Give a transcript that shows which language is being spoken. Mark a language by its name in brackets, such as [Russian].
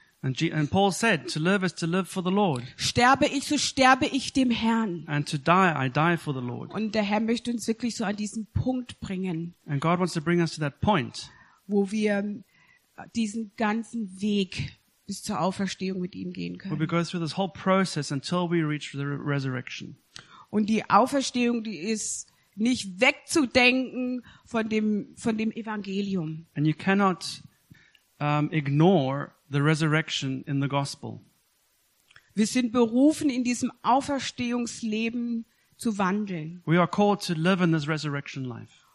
[English] And Paul said, to live is to live for the Lord. [German] Sterbe ich, so sterbe ich dem Herrn. [English] And to die, I die for the Lord. [German] Und der Herr möchte uns wirklich so an diesen Punkt bringen. [English] And God wants to bring us to that point. [German] Wo wir diesen ganzen Weg bis zur Auferstehung mit ihm gehen können. [English] We go through this whole process until we reach the resurrection. [German] Und die Auferstehung, die ist nicht wegzudenken von dem Evangelium. [English] And you cannot ignore the resurrection in the gospel. [German] Wir sind berufen, in diesem Auferstehungsleben zu wandeln. [English] We are called to live in this resurrection life.